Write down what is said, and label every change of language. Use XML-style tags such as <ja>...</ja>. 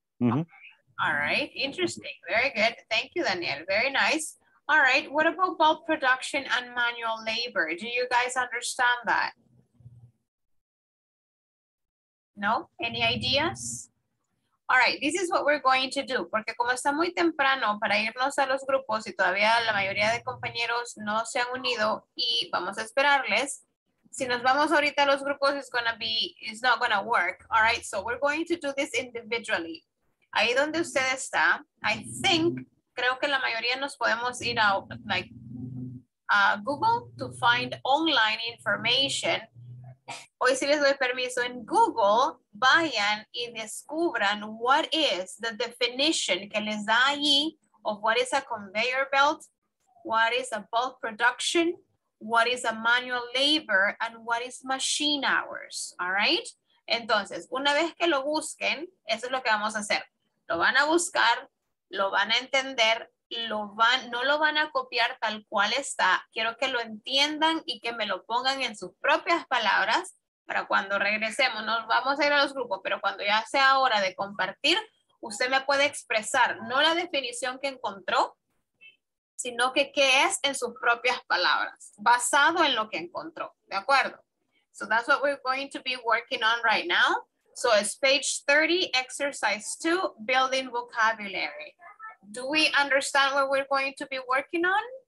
<en>Mm-hmm. All right. Interesting. Very good. Thank you, Daniel. Very nice. All right. What about bulk production and manual labor? Do you guys understand that? No? Any ideas? All right, this is what we're going to do.</en> <es>Porque como está muy temprano para irnos a los grupos y todavía la mayoría de compañeros no se han unido y vamos a esperarles. Si nos vamos ahorita a los grupos,</es> <en>it's not gonna work. All right, so we're going to do this individually.</en> <es>Ahí donde usted está,</es> <en>I think,</en> <es>creo que la mayoría nos podemos ir a like,</es> <en>Google to find online information.</en> <es>Hoy si les doy permiso en Google, vayan y descubran</es> <en>what is the definition</en> <es>que les da allí</es> <en>of what is a conveyor belt, what is a bulk production, what is a manual labor, and what is machine hours, all right?</en> <es>Entonces, una vez que lo busquen, eso es lo que vamos a hacer. Lo van a buscar, lo van a entender, no lo van a copiar tal cual está. Quiero que lo entiendan y que me lo pongan en sus propias palabras para cuando regresemos. Nos vamos a ir a los grupos, pero cuando ya sea hora de compartir, usted me puede expresar no la definición que encontró, sino que qué es en sus propias palabras, basado en lo que encontró. ¿De acuerdo?</es> <en>So that's what we're going to be working on right now. So it's page 30, exercise 2, building vocabulary. Do we understand what we're going to be working on?</en>